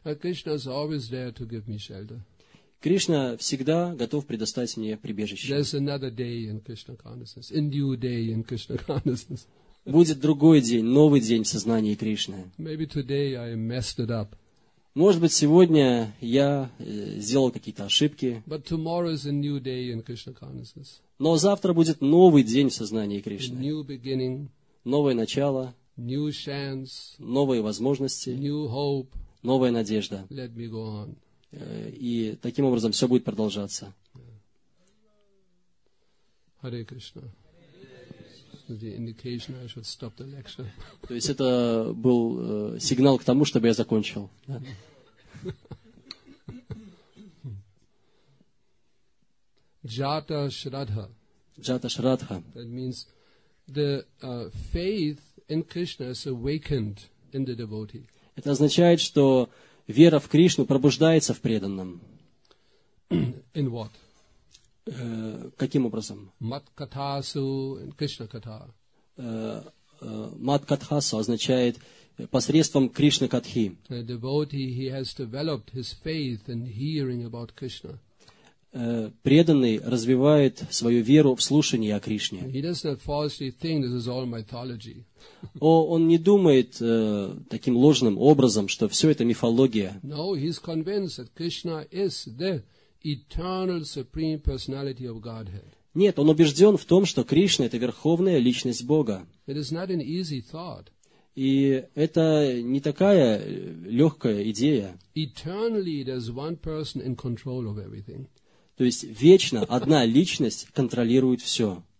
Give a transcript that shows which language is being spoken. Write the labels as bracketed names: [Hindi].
[English] Krishna is always there to give me shelter. [Russian] Кришна всегда готов предоставить мне прибежище. [English] There's another day in Krishna consciousness, a new day in Krishna consciousness. [Russian] Будет другой день, новый день в сознании Кришны. [English] Maybe today I messed it up. [Russian] Может быть, сегодня я сделал какие-то ошибки. [English] But tomorrow is a new day in Krishna consciousness. [Russian] Но завтра будет новый день в сознании Кришны. [English] New beginning. [Russian] Новое начало. [English] New chance. [Russian] Новые возможности. [English] New hope. [Russian] Новая надежда. [English] Let me go on. [Russian] И таким образом все будет продолжаться. [English] Hare Krishna. The indication I should stop the lecture. [Russian] То есть это был сигнал к тому, чтобы я закончил. [Sanskrit] Jata Shraddha. Jata Shraddha. [English] That means the faith in Krishna is awakened in the devotee. [Russian] Это означает, что вера в Кришну пробуждается в преданном. [English] In what? [Russian] Каким образом? Маткатхасу и Кришна Катха. Маткатхасу означает посредством Кришна Катхи. [English] A devotee, he has developed his faith in hearing about Krishna. [Russian] Преданный развивает свою веру в слушании о Кришне. [English] He does not falsely think this is all mythology. [Russian] Он не думает таким ложным образом, что все это мифология. [English] No, he's convinced that Krishna is the eternal supreme personality of Godhead. [Russian] Нет, он убежден в том, что Кришна – это верховная личность Бога. [English] It is not an easy thought. [Russian] И это не такая легкая идея. [English] Eternally, there's one person in control of everything. [Russian] То есть вечно одна личность контролирует все.